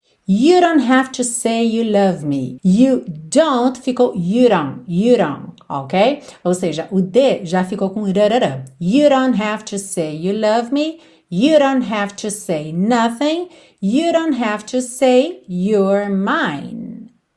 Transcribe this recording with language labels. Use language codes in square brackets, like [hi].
[en] You don't have to say you love me. You don't ficou you don't, ok? [pt] Ou seja, o D já ficou com rarara. [en] You don't have to say you love me. You don't have to say nothing. You don't have to say you're mine.